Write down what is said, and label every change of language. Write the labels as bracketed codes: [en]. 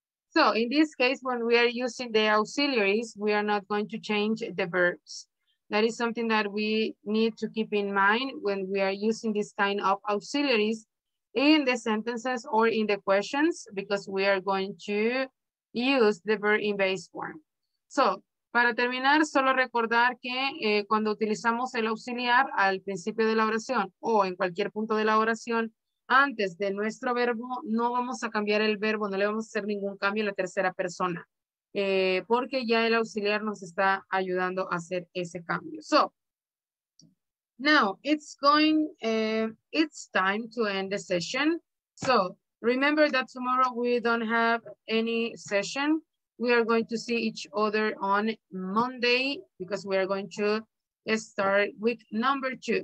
[en] So in this case, when we are using the auxiliaries, we are not going to change the verbs. That is something that we need to keep in mind when we are using this kind of auxiliaries in the sentences or in the questions, because we are going to use the verb in base form. [es] So, para terminar, solo recordar que cuando utilizamos el auxiliar al principio de la oración o en cualquier punto de la oración, antes de nuestro verbo, no vamos a cambiar el verbo, no le vamos a hacer ningún cambio en la tercera persona. Porque ya el auxiliar nos está ayudando a hacer ese cambio. [en] So, now it's time to end the session. So, remember that tomorrow we don't have any session. We are going to see each other on Monday because we are going to start week number two.